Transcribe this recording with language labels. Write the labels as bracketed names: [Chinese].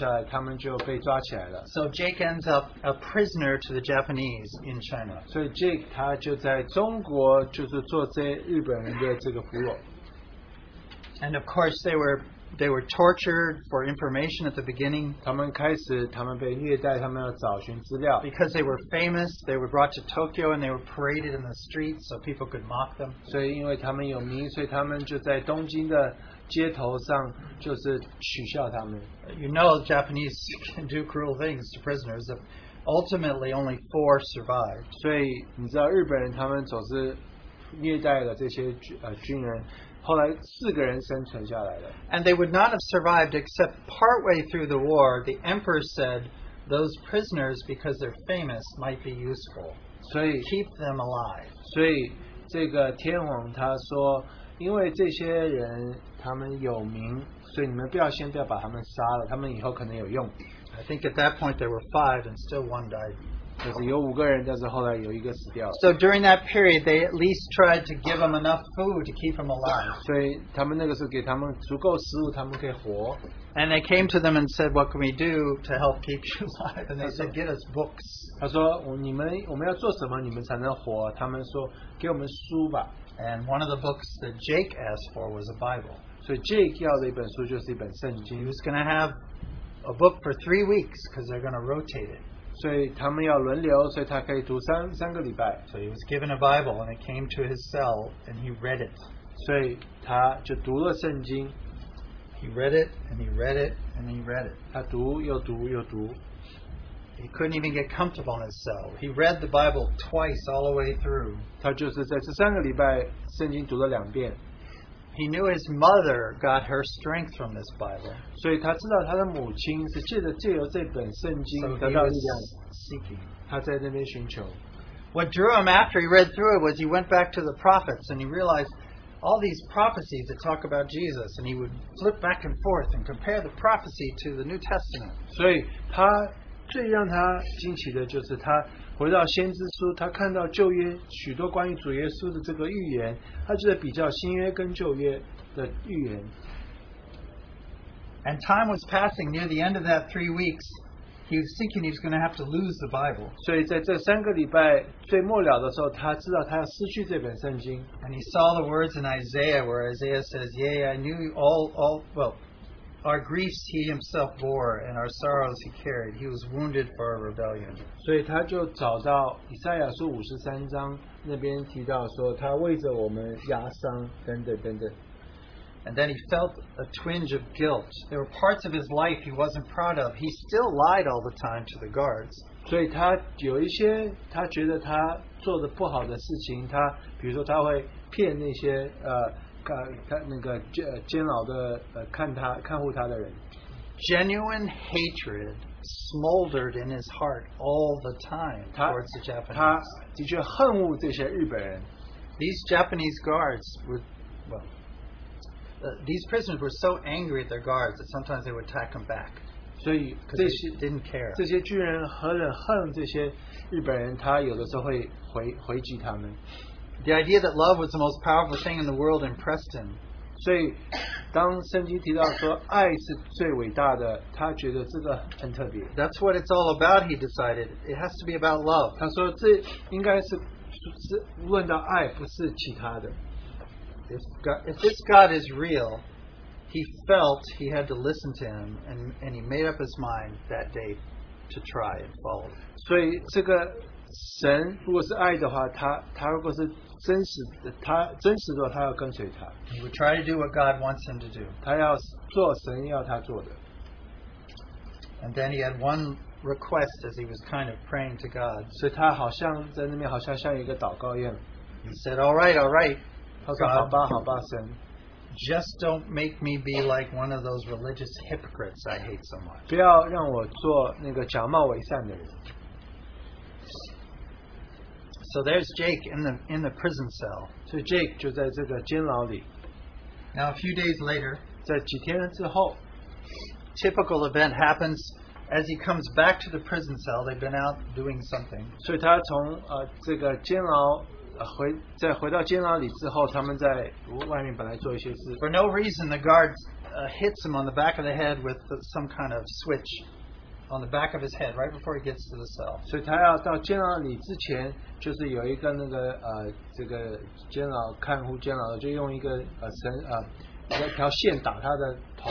[Chinese] 所以这个八个人他们就掉下来，他们就被抓起来了. [English] So Jake ends up a prisoner to the Japanese in China. [Chinese] 所以Jake他就在中国就是做这日本人的这个俘虏. [English] And of course they were tortured for information at the beginning. [Chinese] 他们被虐待，他们要找寻资料. [English] Because they were famous, they were brought to Tokyo and they were paraded in the streets so people could mock them. [Chinese] 所以因为他们有名，所以他们就在东京的街头上就是取笑他们. [English] You know the Japanese can do cruel things to prisoners. Ultimately, only four survived. [Chinese] 所以你知道日本人他们总是虐待了这些军人，后来四个人生存下来了。 [English] And they would not have survived except partway through the war, the emperor said those prisoners, because they're famous, might be useful. [Chinese] 所以 [English] keep them alive. [Chinese] 所以这个天皇他说，因为这些人他们有名，所以你们不要先不要把他们杀了，他们以后可能有用。 [English] I think at that point there were five and still one died. [Chinese] 就是有五个人，但是后来有一个死掉了。 [English] So during that period, they at least tried to give them enough food to keep them alive. [Chinese] 所以他们那个时候给他们足够食物，他们可以活。 [English] And they came to them and said, "What can we do to help keep you alive?" And they said, "Get us books." [Chinese] 他说，我们要做什么，你们才能活？他们说，给我们书吧。 [English] And one of the books that Jake asked for was a Bible. [Chinese] 所以 Jake 要的一本书就是一本圣经。 [English] He was going to have a book for 3 weeks because they're going to rotate it. [Chinese] 所以他们要轮流，所以他可以读三个礼拜。 [English] So he was given a Bible and it came to his cell and he read it. [Chinese] 所以他就读了圣经。 [English] He read it and he read it and he read it. [Chinese] 他读又读又读。 [English] He couldn't even get comfortable in his cell. He read the Bible twice all the way through. [Chinese] 他就是在这三个礼拜圣经读了两遍。 [English] He knew his mother got her strength from this Bible. [Chinese] 所以他知道他的母亲是借由这本圣经得到力量。 [English] Seeking. [Chinese] 他在那边寻求。 [English] What drew him after he read through it was he went back to the prophets and he realized all these prophecies that talk about Jesus, and he would flip back and forth and compare the prophecy to the New Testament. [Chinese] 所以他最让他惊奇的就是他回到先知书，他看到旧约许多关于主耶稣的这个预言，他就在比较新约跟旧约的预言。 [English] And time was passing near the end of that 3 weeks. He was thinking he was going to have to lose the Bible. [Chinese] 所以在这三个礼拜最末了的时候，他知道他要失去这本圣经。 [English] And he saw the words in Isaiah where Isaiah says, "Yea, I knew all well." Our griefs he himself bore, and our sorrows he carried. He was wounded for our rebellion. [Chinese] 所以他就找到以赛亚书五十三章那边提到说他为着我们压伤等等等等。 [English] And then he felt a twinge of guilt. There were parts of his life he wasn't proud of. He still lied all the time to the guards. [Chinese] 所以他有一些他觉得他做的不好的事情，他比如说他会骗那些看护他的人 [English] genuine hatred smoldered in his heart all the time towards the Japanese. [Chinese] 他恨恶这些日本人。 [English] These Japanese guards were, well, these prisoners were so angry at their guards that sometimes they would attack them back. [Chinese] 所以这些 [English] didn't care. [Chinese] 这些巨人恨这些日本人，他有的时候会回击他们。 [English] The idea that love was the most powerful thing in the world impressed him. [Chinese] 所以当圣经提到说爱是最伟大的，他觉得这个很特别。 [English] That's what it's all about, he decided. It has to be about love. [Chinese] 他说这应该是论到爱，不是其他的。 [English] If this God is real, he felt he had to listen to him, and he made up his mind that day to try and follow. [Chinese] 所以这个神如果是爱的话， 他如果是真实的，他真实的话，他要跟随他。 [English] He would try to do what God wants him to do. [Chinese] 他要做神要他做的。 [English] And then he had one request as he was kind of praying to God. [Chinese] 所以他好像在那边好像像一个祷告一样。 [English] He said, "All right, all right." [Chinese] 他说好吧，好吧，神。 [English] Just don't make me be like one of those religious hypocrites I hate so much. [Chinese] 不要让我做那个假冒伪善的人。 [English] So there's Jake in the prison cell. [Chinese] So Jake 就在这个监牢里。 [English] Now a few days later, [Chinese] 在几天之后， [English] typical event happens as he comes back to the prison cell. They've been out doing something. [Chinese] 所以他从这个监牢再回到监牢里之后，他们在外面本来做一些事。 [English] For no reason, the guards hits him on the back of the head with some kind of switch. On the back of his head, right before he gets to the cell. [Chinese] 所以他要到监牢里之前，就是有一个那个这个监牢看护监牢就用一个绳一条线打他的头。